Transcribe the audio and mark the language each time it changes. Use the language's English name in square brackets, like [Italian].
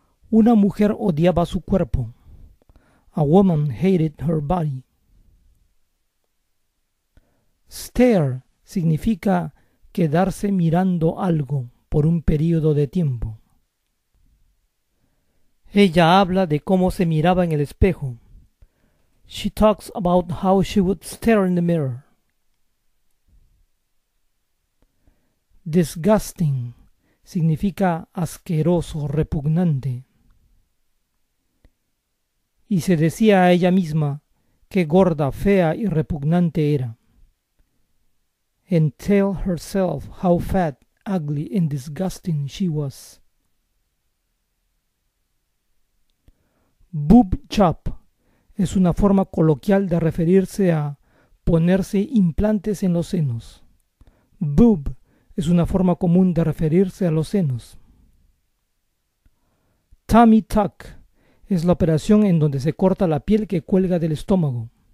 [Spanish] Una mujer odiaba su cuerpo. [English] A woman hated her body. [Spanish] Stare significa quedarse mirando algo por un periodo de tiempo. Ella habla de cómo se miraba en el espejo. [English] She talks about how she would stare in the mirror. [Spanish] Disgusting significa asqueroso, repugnante. Y se decía a ella misma qué gorda, fea y repugnante era. [English] And tell herself how fat, ugly, and disgusting she was. [Spanish] Boob chop es una forma coloquial de referirse a ponerse implantes en los senos. Boob es una forma común de referirse a los senos. Tummy tuck es la operación en donde se corta la piel que cuelga del estómago.